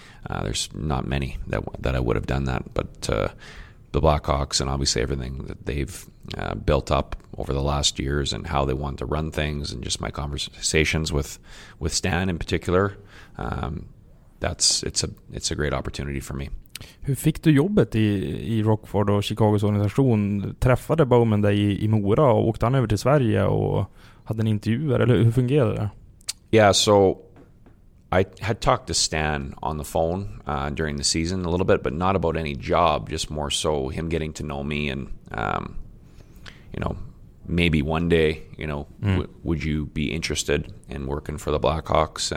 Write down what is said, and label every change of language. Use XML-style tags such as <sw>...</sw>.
<en>There's not many that I would have done that. But the Blackhawks and obviously everything that they've built up over the last years and how they want to run things and just my conversations with Stan in particular, it's a great opportunity for me.</en> <sv>Hur fick du jobbet i Rockford och Chicagos organisation? Träffade Bowman dig i Mora och åkte han över till Sverige och hade en intervju där, eller hur fungerade det?</sv> <en>Yeah, so I had talked to Stan on the phone during the season a little bit, but not about any job, just more so him getting to know me and you know, maybe one day, you know, would you be interested in working for the Blackhawks?</en>